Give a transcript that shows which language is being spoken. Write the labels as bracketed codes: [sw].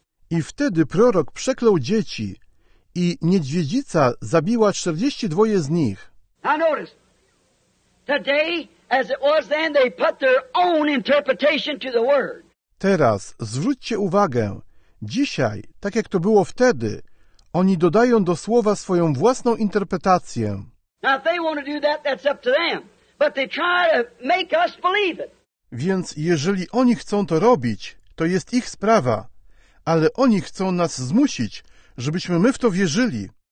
[pl] I wtedy prorok przeklął dzieci, i niedźwiedzica zabiła 42 z nich. [en] Now notice, today, as it was then, they put their own interpretation to the word. [pl] Teraz zwróćcie uwagę. Dzisiaj, tak jak to było wtedy, oni dodają do słowa swoją własną interpretację. [en] Now if they want to do that, that's up to them. But they try to make us believe it. [pl] Więc jeżeli oni chcą to robić, to jest ich sprawa. Ale oni chcą nas zmusić, żebyśmy my w to wierzyli.